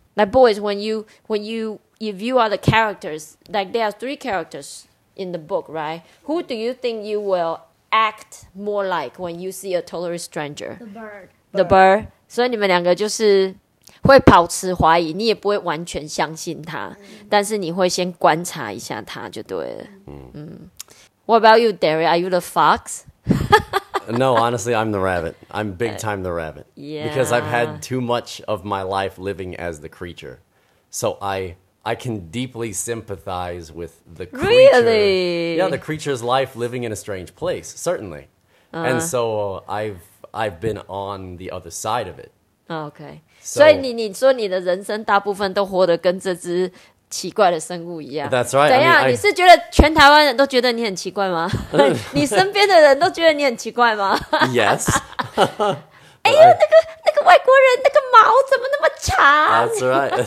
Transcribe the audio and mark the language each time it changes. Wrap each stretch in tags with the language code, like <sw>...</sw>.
<en>Like, boys, if you are the characters, like, there are three characters in the book, right? Who do you think you will act more like when you see a totally stranger? The bird. The bird.</en> <zh>所以你们两个就是会保持怀疑, 你也不会完全相信他, 但是你会先观察一下他就对了。</zh> <en>What about you, Derry? Are you the fox? No, honestly, I'm the rabbit. I'm big time the rabbit. Yeah. Because I've had too much of my life living as the creature. So I can deeply sympathize with the creature. Really? Yeah, the creature's life living in a strange place, certainly. Uh-huh. And so I've been on the other side of it. Oh, okay.</en> <zh>So, 所以你说你的人生大部分都活得跟这只 奇怪的生物一样</zh> <en>That's right</en> <zh>怎样,你是觉得全台湾人都觉得你很奇怪吗? 你身边的人都觉得你很奇怪吗?</zh> <en>Yes</en> <zh>哎呦,那个外国人,那个毛怎么那么长?</zh>